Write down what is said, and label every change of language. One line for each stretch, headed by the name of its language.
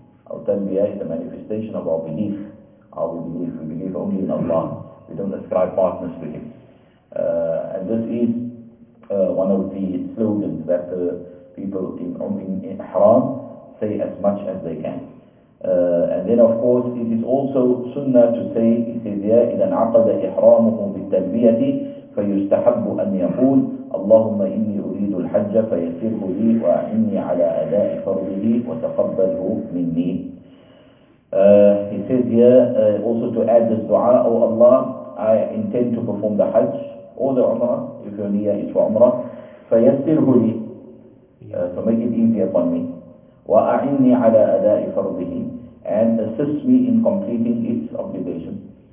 English: Our talbiyah is a manifestation of our belief. How we believe only in Allah. We don't ascribe partners to Him. And this is one of the slogans that the people in Ihram say as much as they can. And then of course, it is also sunnah to say, it says here,
Arabic: إِذَا عَقَدَ إِحْرَامُهُ بِالتَّلْبِيَةِ فَيُسْتَحَبُّ أَنْ يَقُولُ اللَّهُمَّ إِنِّي أُرِيدُ الْحَجَّ فَيَسِرْهُ لِي وَإِنِّي عَلَىٰ أَدَاءِ فَرْضِهِ وَتَقَبَّلْهُ مِنِّي.
English: He says here, also to add this dua, O Allah, I intend to perform the Hajj or the Umrah, if your niyyah is for Umrah.
Arabic: فَيَسِّرْهُ لِي,
English: so make it easy upon me.
Arabic: وَأَعِنِّي عَلَىٰ أَدَاءِ فَرْضِهِ,
English: and assist me in completing its obligation.